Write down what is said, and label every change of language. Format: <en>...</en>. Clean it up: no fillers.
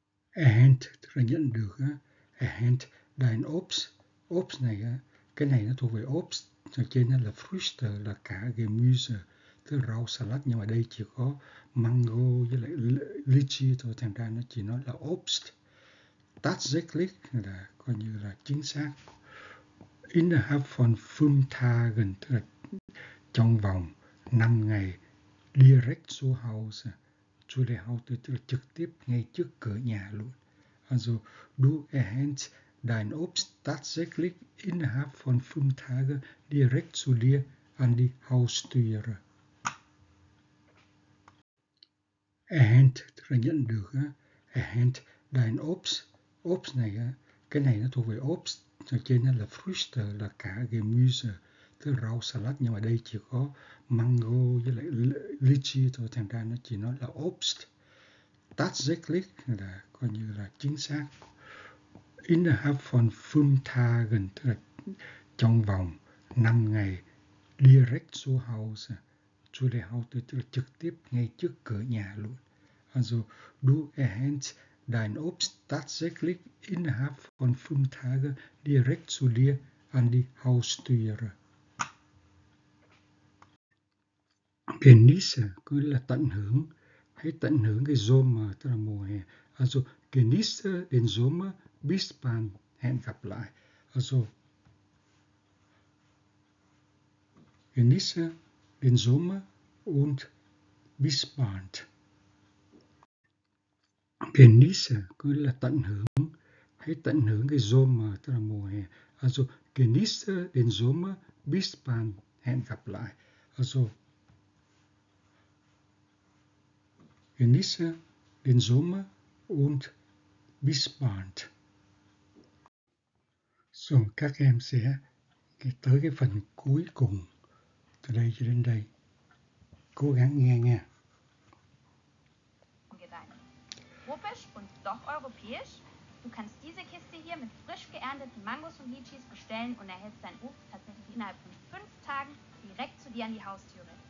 <vi>Erhält tức là nhận được,</vi> <de>erhält dein Obst,</de> <vi>Obst này, cái này nó thuộc về Obst, ở trên là Früchte là cả Gemüse, tức rau salad, nhưng mà đây chỉ có mango với lại lychee thôi, thành ra nó chỉ nói là Obst. Tatsächlich là coi như là chính xác.</vi> <de>Innerhalb von 5 Tagen</de> <vi>tức là trong vòng 5 ngày,</vi> <de>direkt zu Hause. Zu der Haustür,</de> <vi>tức là trực tiếp ngay trước cửa nhà luôn.</vi> <de>Also, du erhältst dein Obst tatsächlich innerhalb von 5 Tagen direkt zu dir an die Haustür.</de> <vi>Erhält, tức là nhận được.</vi> <de>Erhält dein Obst.</de> <vi>Obst này, cái này nó thuộc về Obst. Ở trên là Früchte, là cả Gemüse, tức là rau salad, nhưng mà đây chỉ có mango với lại lychee thôi, thành ra nó chỉ nói là Obst. Tatsächlich là coi như là chính xác.</vi> <de>Innerhalb von 5 Tagen</de> <vi>tức là trong vòng 5 ngày,</vi> <de>direkt zu Hause, zu der Haustür</de> <vi>tức là trực tiếp ngay trước cửa nhà luôn.</vi> <de>Also, du erhältst dein Obst tatsächlich innerhalb von 5 Tagen direkt zu dir an die Haustür. Genieße</de> <vi>có nghĩa là tận hưởng, hãy tận hưởng cái Sommer tức là mùa hè.</vi> <de>Also genieße den Sommer bis bald,</de> <vi>hẹn gặp lại.</vi> <de>Also genieße den Sommer und bis bald. Genieße</de> <vi>có nghĩa là tận hưởng, hãy tận hưởng cái Sommer tức là mùa hè.</vi> <de>Also genieße den Sommer bis bald,</de> <vi>hẹn gặp lại.</vi> <de>Also genieße den Sommer und bis bald.</de> <vi>So, các em sẽ tới cái phần cuối cùng từ đây cho đến đây. Cố gắng nghe nha.</vi> <de>Tropisch und doch europäisch. Du kannst diese Kiste hier mit frisch geernteten Mangos und Litschis bestellen und erhältst dein Obst tatsächlich innerhalb von 5 Tagen direkt zu dir an die Haustüre.</de>